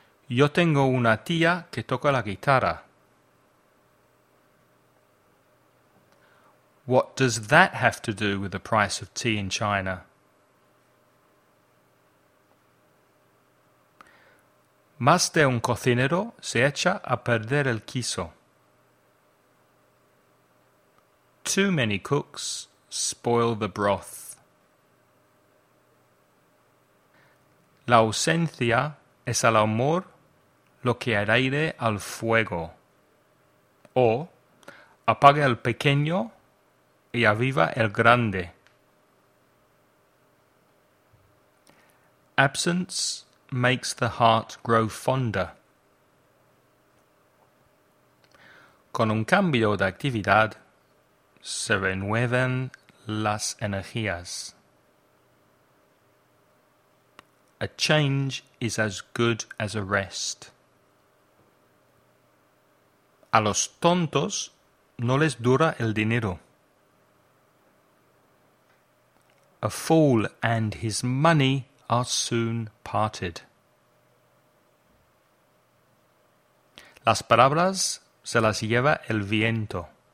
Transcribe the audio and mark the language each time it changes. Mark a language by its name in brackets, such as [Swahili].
[Spanish] Yo tengo una tía que toca la guitarra. [English] What does that have to do with the price of tea in China? [Spanish] Más de un cocinero se echa a perder el queso. [English] Too many cooks spoil the broth. [Spanish] La ausencia es al amor lo que hará aire al fuego. O apaga el pequeño y aviva el grande. [English] Absence makes the heart grow fonder. [Spanish] Con un cambio de actividad se renueven las energías. [English] A change is as good as a rest. [Spanish] A los tontos no les dura el dinero. [English] A fool and his money are soon parted. [Spanish] Las palabras se las lleva el viento.